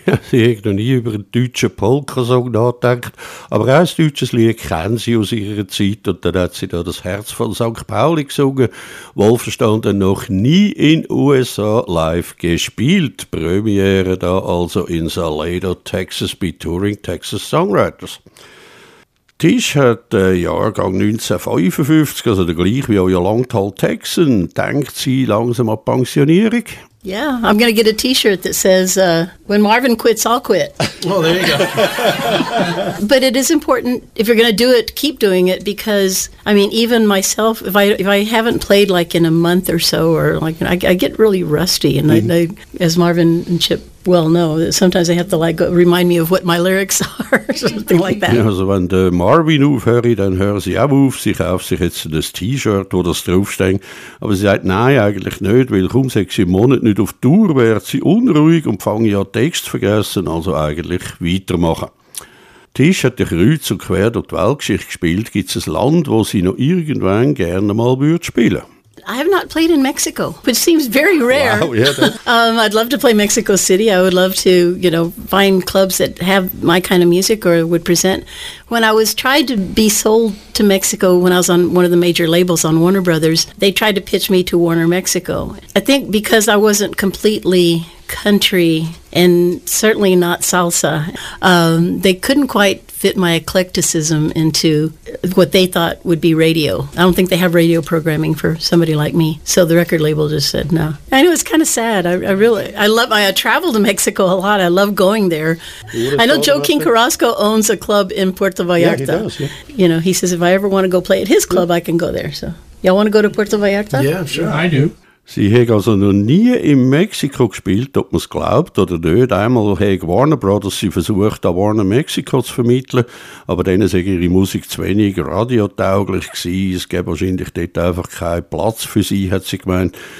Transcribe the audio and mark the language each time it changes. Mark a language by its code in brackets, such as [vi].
[de] Sie hat noch nie über einen deutschen Polka-Song nachgedacht, aber auch ein deutsches Lied kennen sie aus ihrer Zeit und dann hat sie da das Herz von St. Pauli gesungen. Wohlverstanden noch nie in USA live gespielt. Premiere da also in Salado, Texas bei Touring Texas Songwriters. Tisch hat den Jahrgang 1955, also der gleiche wie euer Langtal Texan. Denkt sie langsam an Pensionierung? [en] Yeah, I'm going to get a T-shirt that says, when Marvin quits, I'll quit. Oh, there you go. But it is important, if you're going to do it, keep doing it, because, I mean, even myself, if I haven't played like in a month or so, or like I get really rusty, and as Marvin and Chip well know, sometimes I have to like remind me of what my lyrics are, something like that. [de] Yeah, also, wenn Marvin aufhört, dann hören sie auch auf, sie kauft sich jetzt das T-Shirt, wo das draufsteht. Aber sie sagt, nein, eigentlich nicht, weil kaum 6 Monate nicht auf Tour wird sie unruhig und fange ja Text vergessen, also eigentlich weitermachen. Tisch hat ja kreuz und quer durch die Weltgeschichte gespielt. Gibt es ein Land, wo sie noch irgendwann gerne mal würde spielen? [en] I have not played in Mexico, which seems very rare. I'd love to play Mexico City. I would love to, you know, find clubs that have my kind of music or would present. When I was tried to be sold to Mexico when I was on one of the major labels on Warner Brothers, they tried to pitch me to Warner Mexico. I think because I wasn't completely country and certainly not salsa, they couldn't quite fit my eclecticism into what they thought would be radio. I don't think they have radio programming for somebody like me. So the record label just said no. I know, it's kind of sad. I travel to Mexico a lot. I love going there. I know Joe King Carrasco owns a club in Puerto Vallarta. Yeah, he does. Yeah. You know, he says if I ever want to go play at his club, I can go there. So y'all want to go to Puerto Vallarta? Yeah, sure. Yeah, I do. [de] Sie hat also noch nie in Mexiko gespielt, ob man es glaubt oder nicht. Einmal hat Warner Brothers sie versucht, auch Warner Mexiko zu vermitteln, aber denen sei ihre Musik zu wenig radiotauglich gewesen. Es gäbe wahrscheinlich dort einfach keinen Platz für sie, hat sie gemeint.